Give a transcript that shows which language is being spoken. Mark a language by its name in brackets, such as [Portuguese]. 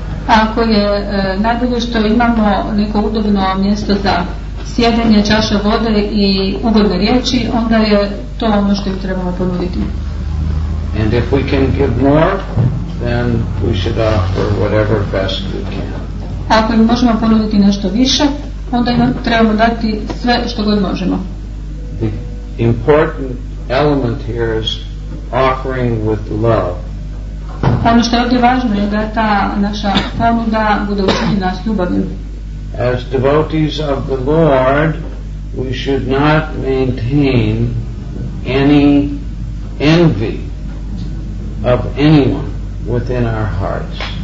[Croatian] Ako je najbolje što imamo neko udobno mjesto za sjedanje, čaša vode i ugodne riječi, onda je to ono što im trebamo ponuditi. [English] And if we can give more, then we should offer whatever best we can. [Croatian] Ako im možemo ponuditi nešto više, onda im trebamo dati sve što god možemo. [English] The important element here is offering with love. [Croatian] Ono što je ovdje važno je da ta naša ponuda bude učinjena s ljubavlju. [English] As devotees of the Lord, we should not maintain any envy of anyone within our hearts.